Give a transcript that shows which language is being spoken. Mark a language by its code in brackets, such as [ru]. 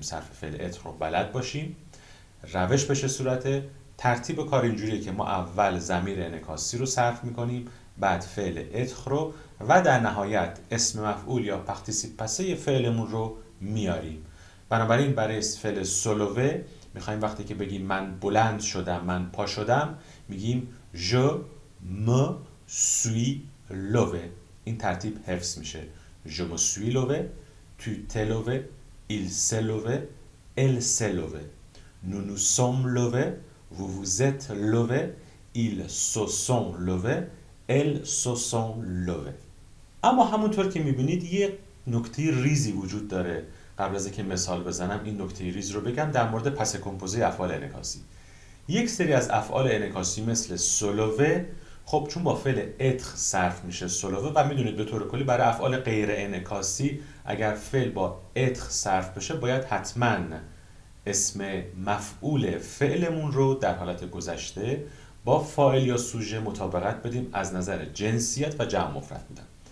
[fa] صرف فعل اتخ رو بلد باشیم. روش بشه صورت ترتیب کار اینجوریه که ما اول ضمیر انعکاسی رو صرف میکنیم، بعد فعل اتخ رو و در نهایت اسم مفعول یا پختیسیب پسه فعلمون رو میاریم. بنابراین برای فعل سلووه میخواییم وقتی که بگیم من بلند شدم، من پا شدم، میگیم [fr] je me suis levé. [fa] این ترتیب حفظ میشه: [fr] je me suis levé, tu t'es levé, il s'est levé, elle s'est levé. Nous nous sommes levés, vous vous êtes levé, ils se sont levé, elles se sont levé. [fa] اما همونطور که میبینید یه نکته ریزی وجود داره. قبل از اینکه مثال بزنم این نکته ریز رو بگم در مورد پس کمپوزه افعال انعکاسی. یک سری از افعال انعکاسی مثل سلووه، خب چون با فعل اتخ صرف میشه سلووه، و میدونید به طور کلی برای افعال غیر انعکاسی اگر فعل با اتخ صرف بشه باید حتما اسم مفعول فعلمون رو در حالت گذشته با فاعل یا سوژه مطابقت بدیم از نظر جنسیت و جمع مفرد میدن.